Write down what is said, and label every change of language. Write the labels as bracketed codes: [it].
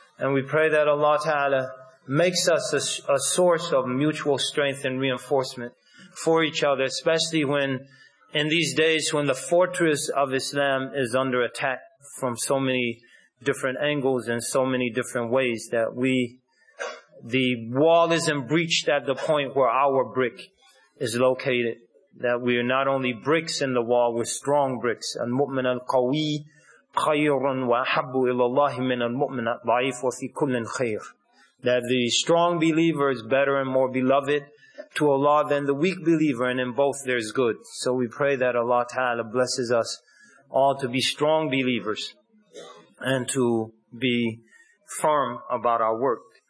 [en] And we pray that Allah Ta'ala makes us a source of mutual strength and reinforcement for each other, especially when in these days when the fortress of Islam is under attack from so many different angles and so many different ways, that the wall isn't breached at the point where our brick is located, that we are not only bricks in the wall, we're strong bricks. [ar] المؤمن القوي خير وأحب إلى الله من المؤمن الضعيف وفي كل خير. [en] That the strong believer is better and more beloved to Allah than the weak believer, and in both there is good. So we pray that Allah Ta'ala blesses us all to be strong believers and to be firm about our work.